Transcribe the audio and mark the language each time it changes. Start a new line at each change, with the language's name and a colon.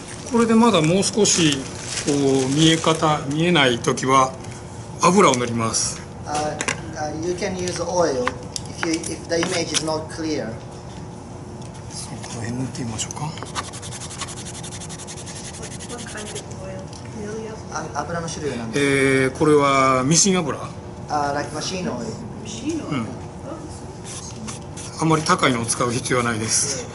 Japanese: これでまだもう少しこう見え方見えないときは油を塗ります。
English: You can use oil if the image is not clear.
Japanese: そう、この辺塗ってみましょうか。
English: What kind of oil?
Japanese: 油の種類なんですか。これはミシン油。
English: Like machine oil.
Japanese: あまり高いのを使う必要はないです。